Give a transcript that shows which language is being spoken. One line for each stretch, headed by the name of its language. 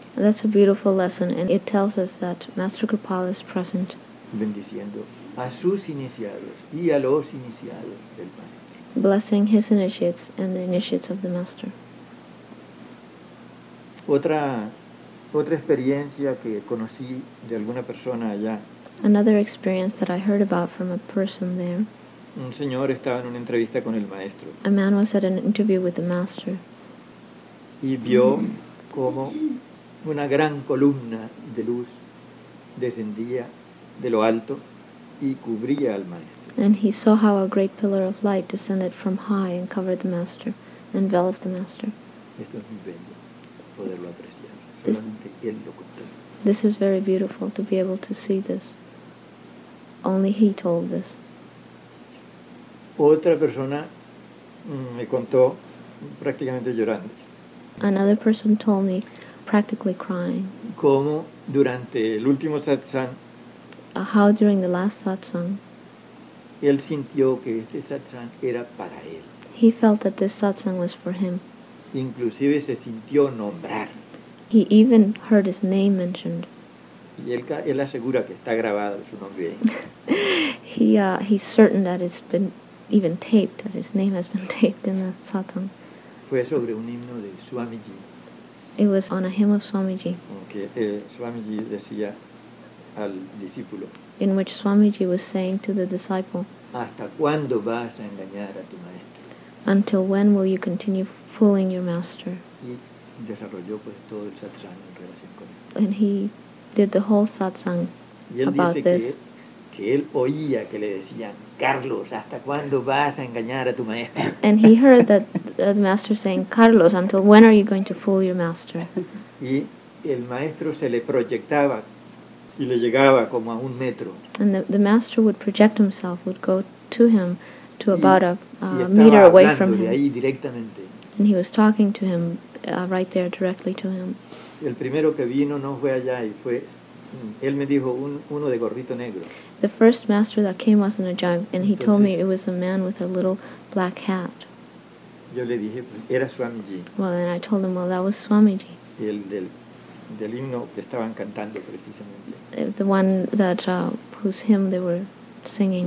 English: That's a beautiful lesson, and it tells us that Master Kirpal is present.
Spanish: Bendiciendo a sus iniciados y a los iniciados del maestro.
English: Blessing his initiates and the initiates of the master.
Spanish: Otra experiencia que conocí de alguna persona allá.
English: Another experience that I heard about from a person there.
Spanish: Un señor estaba en una entrevista con el maestro.
English: A man was at an interview with the master.
Spanish: Y vio cómo una gran columna de luz descendía de lo alto y cubría al maestro.
English: And he saw how a great pillar of light descended from high and covered the master, enveloped the master.
Spanish: Esto es muy bello, poderlo apreciar. Solamente él lo contó.
English: This is very beautiful to be able to see this. Only he told this.
Spanish: Otra persona me contó prácticamente llorando.
English: Another person told me, practically crying.
Spanish: Cómo durante el último satsang.
English: How during the last satsang.
Spanish: Él sintió que este satsang era para él.
English: He felt that this satsang was for him.
Spanish: Inclusive se sintió nombrar.
English: He even heard his name mentioned.
Spanish: Y él asegura que está grabado su nombre.
English: He's certain that it's been even taped, that his name has been taped in the satsang.
Spanish: Fue sobre un himno de Swamiji.
English: It was on a hymn of Swamiji.
Spanish: Okay. Swamiji decía al discípulo.
English: In which Swamiji was saying to the disciple.
Spanish: ¿Hasta cuándo vas a engañar a tu maestro?
English: Until when will you continue fooling your master?
Spanish: Y desarrolló, pues, todo el satsang en relación con él.
English: And he did the whole satsang
Spanish: y él
English: about
Spanish: dice
English: this.
Spanish: Que él oía que le decían, Carlos, ¿hasta cuándo vas a engañar a tu maestro?
English: And he heard that the master saying, Carlos, until when are you going to fool your master?
Spanish: Y el maestro se le proyectaba y le llegaba como a un metro.
English: And the master would project himself, would go to him to about a meter away from him.
Spanish: Y estaba hablándole ahí directamente.
English: And he was talking to him, right there, directly to him.
Spanish: El primero que vino no fue allá y fue... Él me dijo uno de gorrito negro.
English: The first master that came wasn't a giant, and he
Spanish: Entonces,
English: told me it was a man with a little black hat.
Spanish: Yo le dije, pues, era Swamiji.
English: Well, then I told him, well, that was Swamiji.
Spanish: El del himno que estaban cantando precisamente.
English: The one that whose hymn they were singing.